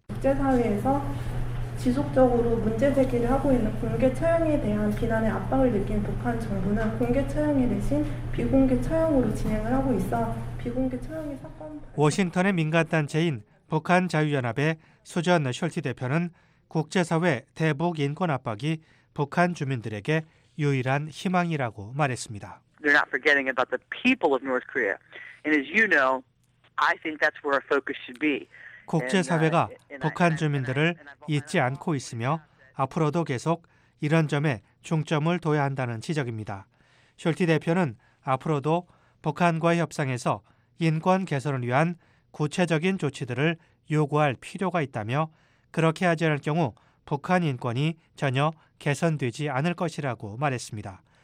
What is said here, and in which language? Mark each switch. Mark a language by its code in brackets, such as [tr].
[ko] 국제사회에서 지속적으로 문제 제기를 하고 있는 공개 처형에 대한 비난의 압박을 느낀 북한 정부는 공개 처형에 대신 비공개 처형으로 진행을 하고 있어 비공개 처형의 사건. 워싱턴의 민간단체인 북한자유연합의 수전 숄티 대표는 국제사회 대북 인권 압박이 북한 주민들에게 유일한 희망이라고 말했습니다. [en] They're not forgetting about the people of North Korea. And as you know, I think that's where our focus should be. [ko] 국제사회가 북한 주민들을 잊지 않고 있으며 앞으로도 계속 이런 점에 중점을 둬야 한다는 지적입니다. 숄티 대표는 앞으로도 북한과의 협상에서 인권 개선을 위한 구체적인 조치들을 요구할 필요가 있다며 그렇게 하지 않을 경우 북한 인권이 전혀 개선되지 않을 것이라고 말했습니다.